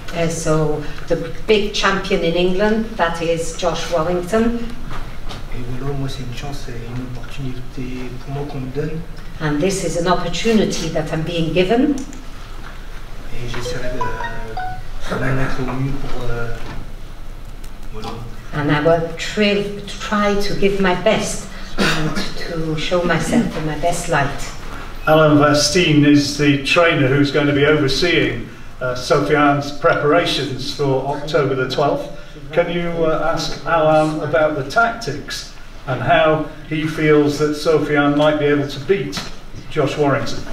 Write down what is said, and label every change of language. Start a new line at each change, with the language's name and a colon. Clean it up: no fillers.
English: So, the big champion in England, that is Josh Warrington.
French: Voilà, moi c'est une chance et une opportunité pour moi qu'on me donne.
English: And this is an opportunity that I'm being given.
French: Et j'essaierai de m'en mettre au mieux pour. Voilà.
English: And I will try to give my best and to show myself in my best light. Alain Vastine is the trainer who's going to be overseeing Sofiane's preparations for October the 12th. Can you ask Alain about the tactics and how he feels that Sofiane might be able to beat Josh Warrington?